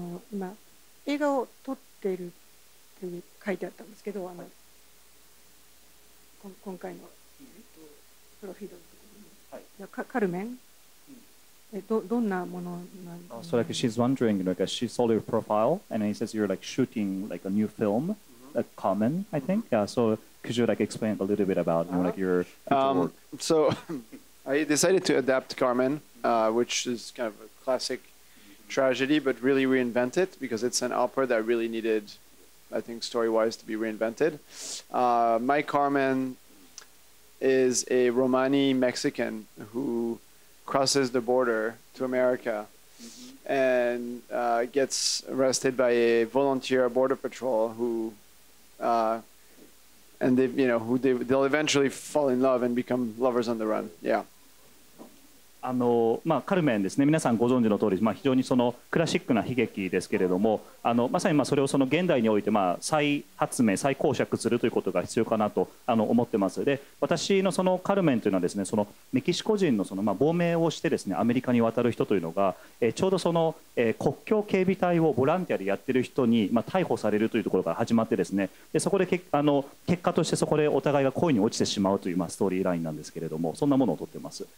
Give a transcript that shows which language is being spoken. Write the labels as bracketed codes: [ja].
[ja] 今映画を撮っているって書いてあったんですけど、今回のプロフィールのところに、はい、カルメン、どんなものなんですか？ [en] So like she's wondering, like she saw your profile and he says you're like shooting like a new film, a Carmen, I think. Yeah, so could you like explain a little bit about you know, like your future work? So I decided to adapt Carmen, which is kind of a classic. tragedy, but really reinvent it because it's an opera that really needed, I think, story-wise to be reinvented. My Carmen is a Romani Mexican who crosses the border to America and gets arrested by a volunteer border patrol who, and they, you know, who they'll eventually fall in love and become lovers on the run. Yeah. [ja] まあ、カルメンですね、皆さんご存知の通り、まあ、非常にそのクラシックな悲劇ですけれども、まさにまあそれをその現代においてまあ再発明再講釈するということが必要かなと思ってます。で、私 の, そのカルメンというのはですね、そのメキシコ人 の, そのまあ亡命をしてですね、アメリカに渡る人というのが、ちょうどその国境警備隊をボランティアでやっている人にまあ逮捕されるというところが始まってですね、でそこで結果としてそこでお互いが恋に落ちてしまうというまあストーリーラインなんですけれども、そんなものを撮ってます。